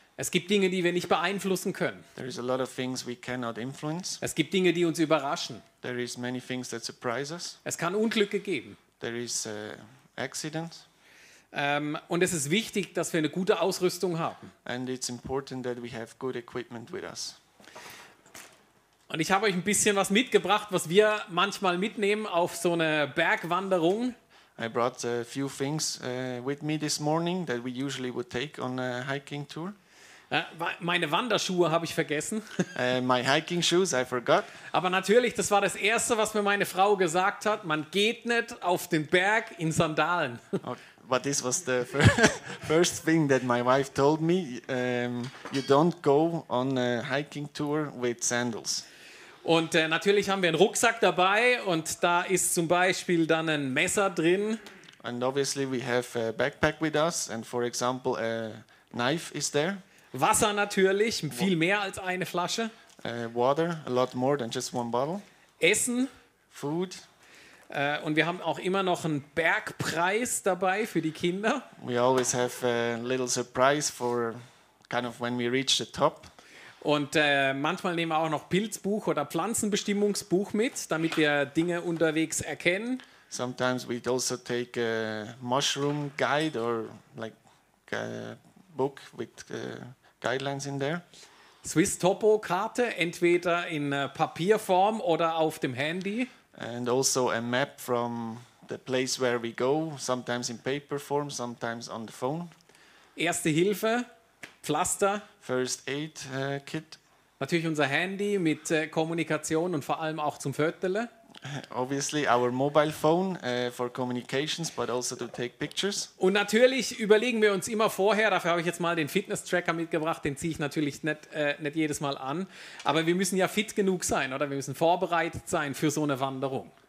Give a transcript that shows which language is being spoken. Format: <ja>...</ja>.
<de>Es gibt Dinge, die wir nicht beeinflussen können.</de> <en>There is a lot of things we cannot influence.</en> <de>Es gibt Dinge, die uns überraschen.</de> <en>There is many things that surprise us.</en> <de>Es kann Unglücke geben.</de> <en>There is accidents.</en> <de>Und es ist wichtig, dass wir eine gute Ausrüstung haben.</de> <en>And it's important that we have good equipment with us.</en> <de>Und ich habe euch ein bisschen was mitgebracht, was wir manchmal mitnehmen auf so eine Bergwanderung.</de> <en>I brought a few things with me this morning that we usually would take on a hiking tour.</en> <de>Meine Wanderschuhe habe ich vergessen.</de> <en>My hiking shoes, I forgot.</en> <de>Aber natürlich, das war das Erste, was mir meine Frau gesagt hat. Man geht nicht auf den Berg in Sandalen.</de> <en>Okay. But this was the first thing that my wife told me. You don't go on a hiking tour with sandals.</en> <de>Und natürlich haben wir einen Rucksack dabei und da ist zum Beispiel dann ein Messer drin.</de> <en>And obviously we have a backpack with us and for example a knife is there.</en> <de>Wasser natürlich, viel mehr als eine Flasche.</de> <en>Water, a lot more than just one bottle.</en> <de>Essen.</de> <en>Food.</en> <de>Und wir haben auch immer noch einen Bergpreis dabei für die Kinder.</de> <en>We always have a little surprise for kind of when we reach the top.</en> <de>Und manchmal nehmen wir auch noch Pilzbuch oder Pflanzenbestimmungsbuch mit, damit wir Dinge unterwegs erkennen.</de> <en>Sometimes we also take a mushroom guide or like a book with guidelines in there.</en> <de>Swiss Topo Karte, entweder in Papierform oder auf dem Handy.</de> <en>And also a map from the place where we go, sometimes in paper form, sometimes on the phone.</en> <de>Erste Hilfe, Pflaster.</de> <en>First aid kit.</en> <de>Natürlich unser Handy mit Kommunikation und vor allem auch zum Föteln.</de> <en>Obviously our mobile phone for communications, but also to take pictures.</en> <de>Und natürlich überlegen wir uns immer vorher, dafür habe ich jetzt mal den Fitness-Tracker mitgebracht, den ziehe ich natürlich nicht jedes Mal an, aber wir müssen ja fit genug sein, oder? Wir müssen vorbereitet sein für so eine Wanderung.</de>